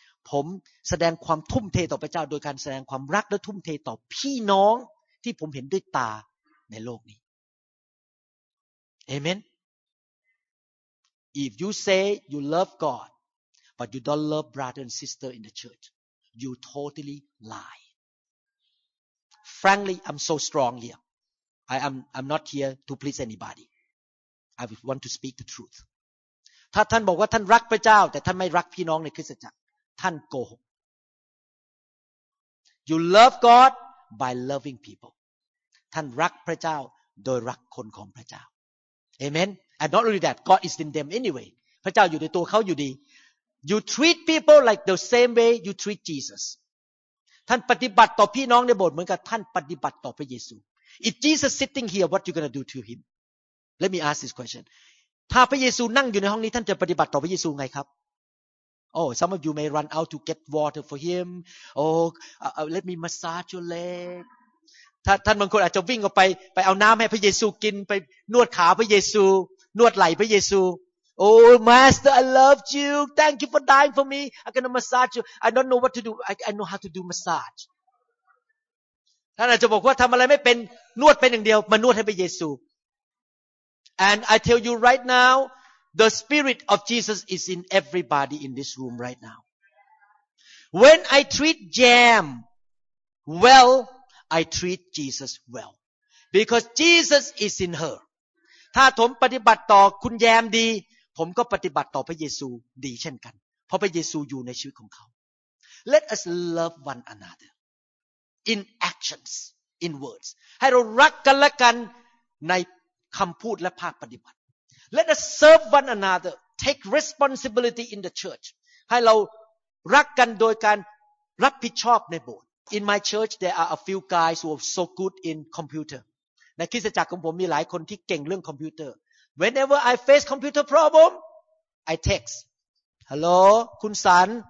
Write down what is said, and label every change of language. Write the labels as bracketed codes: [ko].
[th] ผมแสดงความทุ่มเทต่อพระเจ้าโดยการแสดงความรักและทุ่มเทต่อพี่น้องที่ผมเห็นด้วยตาในโลกนี้เอเมน [en] If you say you love God but you don't love brother and sister in the church you totally lie Frankly I'm so strong here I'm not here to please anybodyI want to speak the truth. [th] ถ้าท่านบอกว่าท่านรักพระเจ้าแต่ท่านไม่รักพี่น้องในคริสตจักรท่านโกหก [en] You love God by loving people. [th] ท่านรักพระเจ้าโดยรักคนของพระเจ้า [en] Amen. And not only that, God is in them anyway. [th] พระเจ้าอยู่ในตัวเขาอยู่ดี [en] You treat people like the same way you treat Jesus. [th] ท่านปฏิบัติต่อพี่น้องในโบสถ์เหมือนกับท่านปฏิบัติต่อพระเยซู [en] If Jesus sitting here, what you gonna do to him? Let me ask this question. [th] ถ้าพระเยซูนั่งอยู่ในห้องนี้ท่านจะปฏิบัติต่อพระเยซูไงครับ [en] Oh, some of you may run out to get water for him. Oh, let me massage your leg. [th] ท่านบางคนอาจจะวิ่งออกไปเอาน้ำให้พระเยซูกินไปนวดขาพระเยซูนวดไหล่พระเยซู [en] Oh, Master, I love you. Thank you for dying for me. I'm gonna massage you. I don't know what to do. I know how to do massage. [th] ท่านอาจจะบอกว่าทำอะไรไม่เป็นนวดเป็นอย่างเดียวมานวดให้พระเยซู [en] And I tell you right now, the Spirit of Jesus is in everybody in this room right now. When I treat Jam well, I treat Jesus well. Because Jesus is in her. [th] ถ้าผมปฏิบัติต่อคุณแยมดีผมก็ปฏิบัติต่อพระเยซูดีเช่นกันเพราะพระเยซูอยู่ในชีวิตของเขา [en] Let us love one another. in actions in words [th] ให้เรารักกันและกันในคำพูดและภาคปฏิบัติ [en] let us serve one another take responsibility in the church [th] ให้เรารักกันโดยการรับผิดชอบในโบสถ์ [en] in my church there are a few guys who are so good in computer [th] ในคริสตจักรของผมมีหลายคนที่เก่งเรื่องคอมพิวเตอร์ [en] whenever I face computer problem I text hello คุณสัน